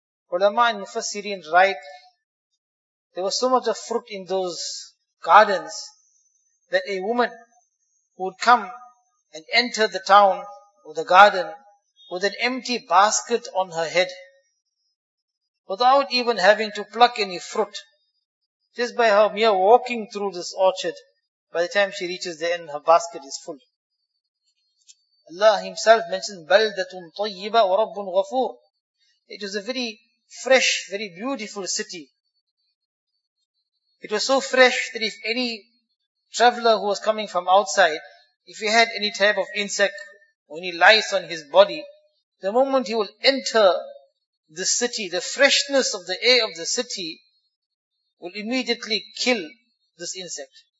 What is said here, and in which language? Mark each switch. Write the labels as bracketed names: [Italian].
[English] Ulama and Mufassirin write, there was so much of fruit in those gardens that a woman would come and enter the town or the garden with an empty basket on her head, without even having to pluck any fruit. Just by her mere walking through this orchard, by the time she reaches the end, her basket is full. Allah Himself mentions, [Arabic] بَلْدَةٌ طَيِّبَ وَرَبٌ غَفُورٌ. [English] It was a very fresh, very beautiful city. It was so fresh that if any traveler who was coming from outside, if he had any type of insect or any lice on his body, the moment he will enter the city, the freshness of the air of the city will immediately kill this insect.